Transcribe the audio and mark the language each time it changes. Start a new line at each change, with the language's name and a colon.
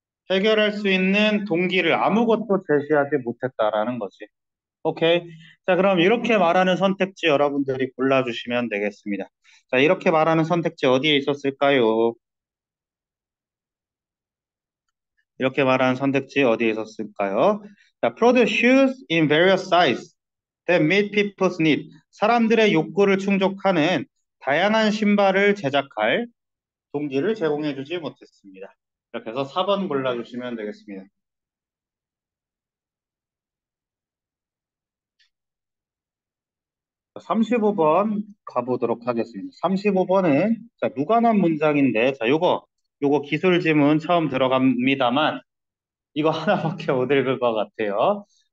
Korean: 해결할 수 있는 동기를 아무것도 제시하지 못했다라는 거지. 오케이. 자, 그럼 이렇게 말하는 선택지 여러분들이 골라주시면 되겠습니다. 자, 이렇게 말하는 선택지 어디에 있었을까요? 이렇게 말하는 선택지 어디에 있었을까요?
English: 자, produce shoes in various sizes that meet people's needs.
Korean: 사람들의 욕구를 충족하는 다양한 신발을 제작할 동기를 제공해주지 못했습니다. 이렇게 해서 4번 골라주시면 되겠습니다. 35번 가보도록 하겠습니다. 35번은 자, 무관한 문장인데, 자, 요거 기술 지문 처음 들어갑니다만, 이거 하나밖에 못 읽을 것 같아요.